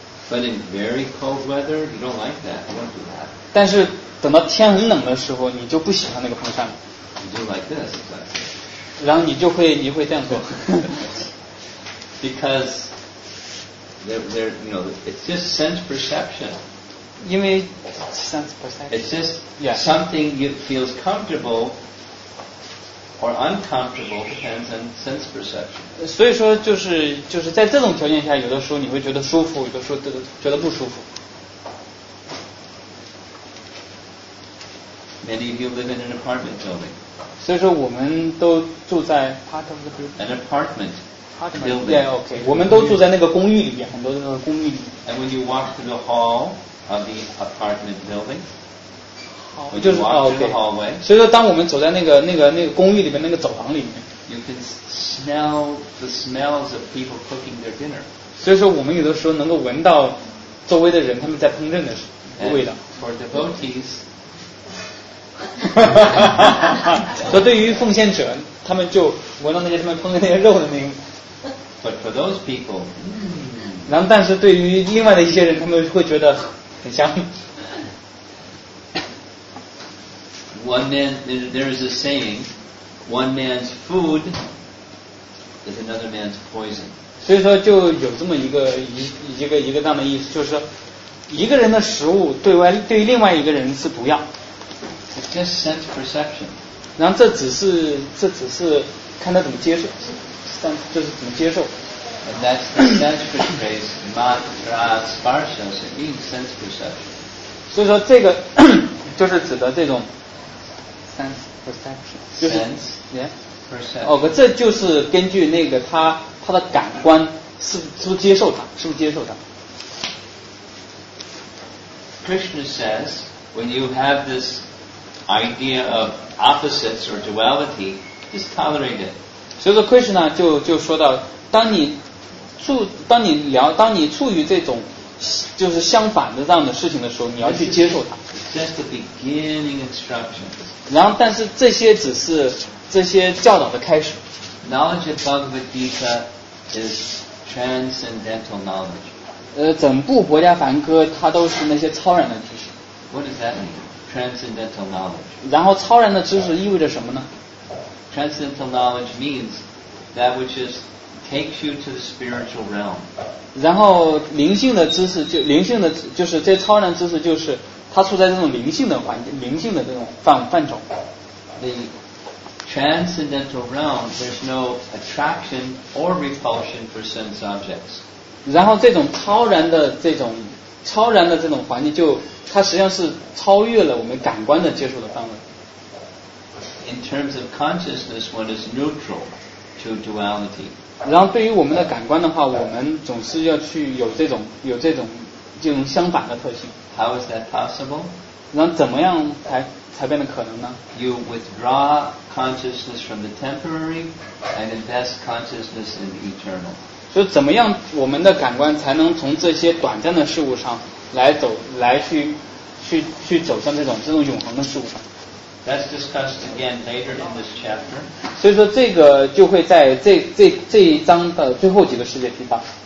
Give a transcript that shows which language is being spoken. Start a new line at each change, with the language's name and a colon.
English: But in very cold weather, you don't like that. You don't do that.
Chinese: 但是等到天很冷的时候，你就不喜欢那个风扇了。
English: You do like this. But...
Chinese: 然后你会这样做。
English: Because there, you know, it's just sense perception.
Chinese: 因为
English: sense perception. It's just、yeah. something you feels comfortable or uncomfortable depends on sense perception.
Chinese: 所以说就是在这种条件下，有的时候你会觉得舒服，有的时候觉得不舒服。
English: Many of you live in an apartment building.
Chinese: 所以说我们都住在
English: part of the building. An apartment. Apartment. Yeah, okay.
Chinese: 我们都住在那个公寓里面，很多那个公寓里。
English: And when you walk through the hall of the apartment building.
Chinese: 就是啊 ，OK。所以说，当我们走在那个公寓里面那个走廊里面
English: ，You can smell the smells of people cooking their dinner。
Chinese: 所以说，我们有的时候能够闻到周围的人他们在烹饪的味道。
English: For devotees，
Chinese: 说对于奉献者，他们就闻到那些他们烹饪那些肉的那个。
English: But for those people，
Chinese: 然后但是对于另外的一些人，他们会觉得很香。
English: One man, there is a saying, one man's food is another man's poison.
Chinese: 所以说就有这么一个这样的意思，就是说一个人的食物对另外一个人是毒药。
English: It's just sense perception.
Chinese: 然后这只是看他怎么接受，就是怎么接受。
English: And that's the Sanskrit phrase, matra sparsha, so it means sense perception.
Chinese: 所以说这个就是指的这种。
English: Sense perception.
Chinese: 这就是根据那个他的感官是不是接受他，是不是接受他。
English: Krishna says, when you have this idea of opposites or duality, just tolerate it.
Chinese: 所以说 Krishna 就说到，当你处于这种就是相反的这样的事情的时候，你要去接受它。
English: Just the beginning instructions.
Chinese: 然后，但是这些只是这些教导的开始。
English: Knowledge of Bhagavad Gita is transcendental knowledge.
Chinese: 整部《博伽梵歌》它都是那些超然的知识。
English: What does that mean? Transcendental knowledge.
Chinese: 然后，超然的知识意味着什么呢？
English: Transcendental knowledge means that which is takes you to the spiritual realm.
Chinese: 然后灵性的知识就灵性的就是这超然知识就是它处在这种灵性的环境灵性的这种范畴。
English: The transcendental realm, there's no attraction or repulsion for sense objects.
Chinese: 然后这种超然的这种环境就它实际上是超越了我们感官的接受的范围。
English: In terms of consciousness, one is neutral to duality.
Chinese: 然后对于我们的感官的话，我们总是要去有这种相反的特性。
English: How is that possible?
Chinese: 然后怎么样才变得可能呢
English: ？You withdraw consciousness from the temporary and invest consciousness in the eternal.
Chinese: 所以怎么样我们的感官才能从这些短暂的事物上来去走向这种永恒的事物上？
English: That's discussed again later in this chapter.
Chinese: 所以说这个就会在这一章的最后几个世界提到。